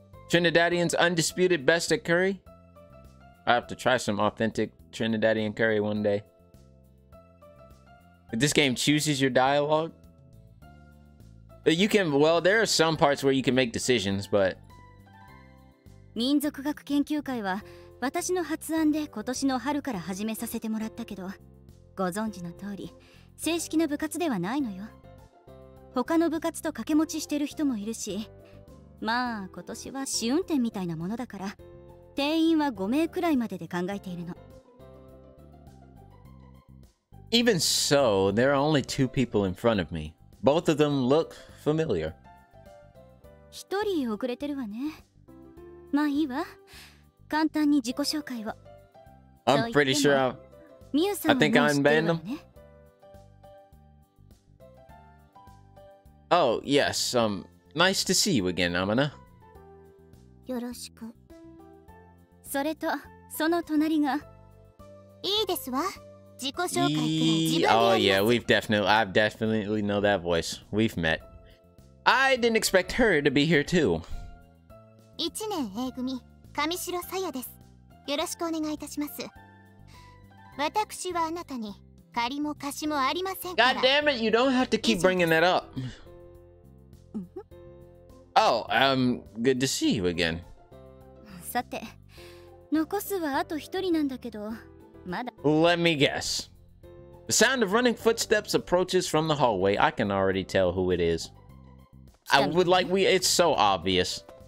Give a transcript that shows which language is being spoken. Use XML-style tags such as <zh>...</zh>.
<en>Trinidadian's undisputed best at curry. I have to try some authentic Trinidadian curry one day. But this game chooses your dialogue. You can, well, there are some parts where you can make decisions, but...</en> <ja>民族学研究会は私の発案で今年の春から始めさせてもらったけど、ご存知の通り、正式な部活ではないのよ。他の部活と掛け持ちしてる人もいるし、まあ今年は試運転みたいなものだから、定員は5名くらいまでで考えているの。</ja> <en>Even so, there are only two people in front of me. Both of them look familiar.</en> <ja>一人遅れてるわね。まあいいわ。簡単に自己紹介を。</ja> <en>I'm pretty sure</en> <ja>ミュウさんはもう知ってるわね。</ja> <en>Oh, yes. Nice to see you again, Amana.</en> <ja>よろしく。それと、その隣が。いいですわ。自己紹介って自分で。</ja> <en>Oh, yeah. I definitely know that voice. We've met. I didn't expect her to be here, too.</en> <ja>1年 A 組。上白さやです。よろしくお願いいたします。私はあなたに借りも貸しもありませんから。</ja> <en>God damn it! You don't have to keep bringing that up. Oh, good to see you again.</en> <ja>さて、残すはあと一人なんだけど、まだ。</ja> <en>Let me guess. The sound of running footsteps approaches from the hallway. I can already tell who it is. I would like we. It's so obvious.</en>